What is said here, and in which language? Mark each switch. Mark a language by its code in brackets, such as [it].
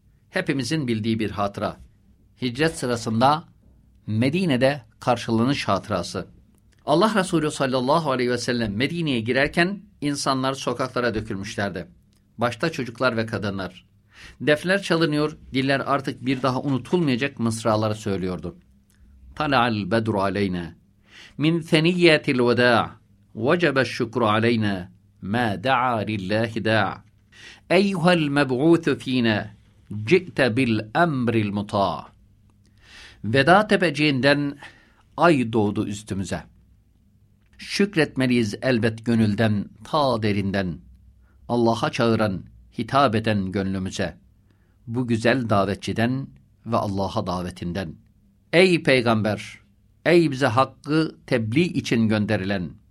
[tr] Hepimizin bildiği bir hatıra. Hicret sırasında Medine'de karşılanış hatırası. Allah Resulü sallallahu aleyhi ve sellem Medine'ye girerken insanlar sokaklara dökülmüşlerdi. Başta çocuklar ve kadınlar. Defler çalınıyor, diller artık bir daha unutulmayacak mısraları söylüyordu. [ar] Tala'l bedru aleyna min seniyyetil veda'a. وَجَبَ الشُّكْرُ عَلَيْنَا مَا دَعَى لِلَّهِ دَعَى اَيُّهَا الْمَبْعُوثُ ف۪ينَا جِئْتَ بِالْاَمْرِ الْمُطَاءِ [tr] Veda tepeciğinden ay doğdu üstümüze. Şükretmeliyiz elbet gönülden, ta derinden. Allah'a çağıran, hitap eden gönlümüze. Bu güzel davetçiden ve Allah'a davetinden. Ey Peygamber! Ey bize hakkı tebliğ için gönderilen!